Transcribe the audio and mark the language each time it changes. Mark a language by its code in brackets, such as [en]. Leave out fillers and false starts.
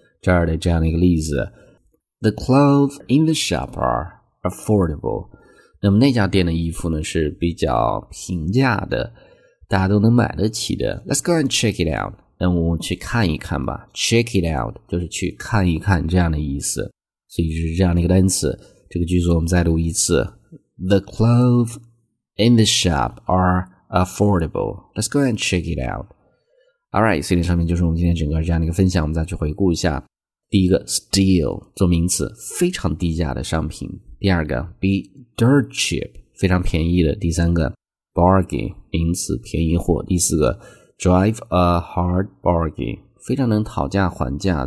[zh] 这儿的这样的一个例子， [en] The clothes in the shop are affordable， [zh] 那么那家店的衣服呢是比较平价的，大家都能买得起的。 [en] Let's go and check it out， [zh] 那我们去看一看吧。 Check it out 就是去看一看这样的意思，所以是这样的一个单词。这个句子我们再读一次， [en] The clothes in the shop are affordable， Let's go and check it out。 [zh] Alright， 所以上面就是我们今天整个这样的一个分享。我们再去回顾一下，第一个 steal 做名词，非常低价的商品。第二个 be dirt cheap， 非常便宜的。第三个 bargain， 名词，便宜货。第四个 drive a hard bargain， 非常能讨价还价。